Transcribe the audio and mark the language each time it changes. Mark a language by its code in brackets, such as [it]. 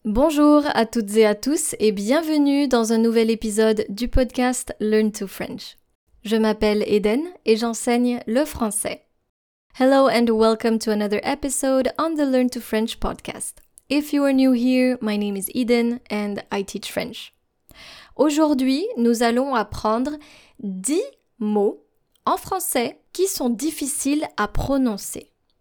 [fr] Bonjour à toutes et à tous et bienvenue dans un nouvel épisode du podcast Learn to French. Je m'appelle Eden et j'enseigne le français. [en] Hello and welcome to another episode on the Learn to French podcast. If you are new here, my name is Eden and I teach French. [fr] Aujourd'hui, nous allons apprendre 10 mots en français qui sont difficiles à prononcer.